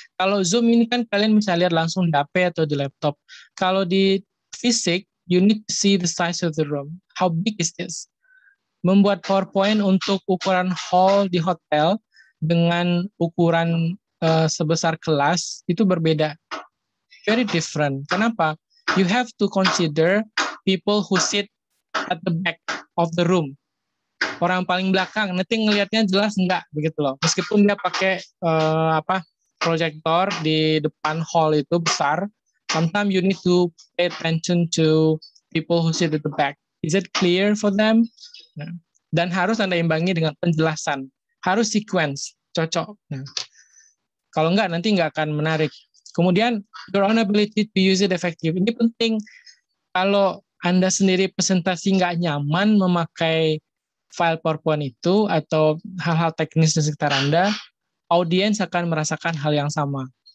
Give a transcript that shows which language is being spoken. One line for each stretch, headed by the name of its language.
Indonesian: Kalau Zoom ini kan kalian bisa lihat langsung di HP atau di laptop. Kalau di fisik,
English: you need to see the size of the room. How big is this?
Indonesian: Membuat PowerPoint untuk ukuran hall di hotel dengan ukuran sebesar kelas, itu berbeda.
English: Very different.
Indonesian: Kenapa?
English: You have to consider people who sit at the back of the room.
Indonesian: Orang paling belakang, nanti ngelihatnya jelas enggak, begitu loh. Meskipun dia pakai proyektor di depan hall itu besar,
English: sometimes you need to pay attention to people who sit at the back. Is it clear for them? Nah.
Indonesian: Dan harus Anda imbangi dengan penjelasan. Harus sequence, cocok. Nah. Kalau enggak, nanti enggak akan menarik.
English: Kemudian, your own ability to use it effectively.
Indonesian: Ini penting. Kalau Anda sendiri presentasi enggak nyaman memakai file PowerPoint itu atau hal-hal teknis di sekitar Anda, audiens akan merasakan hal yang sama.